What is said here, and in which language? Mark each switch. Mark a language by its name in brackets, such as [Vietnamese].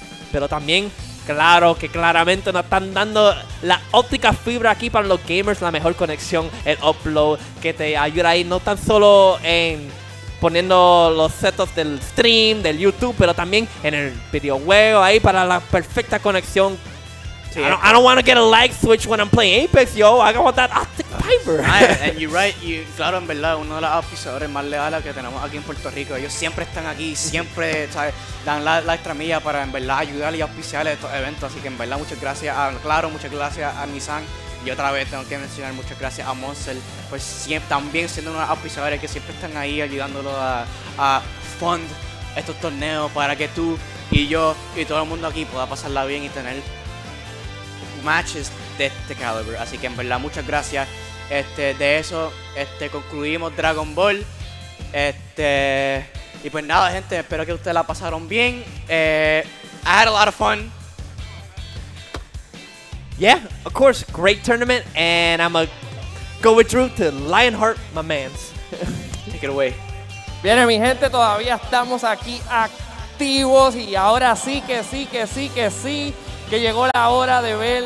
[Spanish] Pero también, claro, que claramente nos están dando la óptica fibra aquí para los gamers, la mejor conexión, el upload, que te ayuda ahí no tan solo en poniendo los setups del stream, del YouTube, pero también en el videojuego, ahí para la perfecta conexión. Sí, [English] I don't want to get a lag switch when I'm playing Apex, yo. I want that optic fiber. And you're right. You, [Spanish] claro, en verdad, uno de los oficiadores más leales que tenemos aquí en Puerto Rico. Ellos siempre están aquí, siempre dan la extra milla para en verdad ayudar y auspiciar estos eventos. Así que en verdad, muchas gracias a Claro, muchas gracias a Nissan. Y otra vez tengo que mencionar muchas gracias a Monster, pues siempre, también siendo unos auspiciadores que siempre están ahí ayudándolo a fund estos torneos para que tú y yo y todo el mundo aquí pueda pasarla bien y tener matches de este caliber. Así que en verdad, muchas gracias. De eso concluimos Dragon Ball. Y pues nada, gente, espero que ustedes la pasaron bien. [English] I had a lot of fun. Yeah, of course, great tournament, and I'm going to go with Drew to Lionheart, my mans. Take it away. [Spanish] Bien, mi gente, todavía estamos aquí activos, y ahora sí que llegó la hora de ver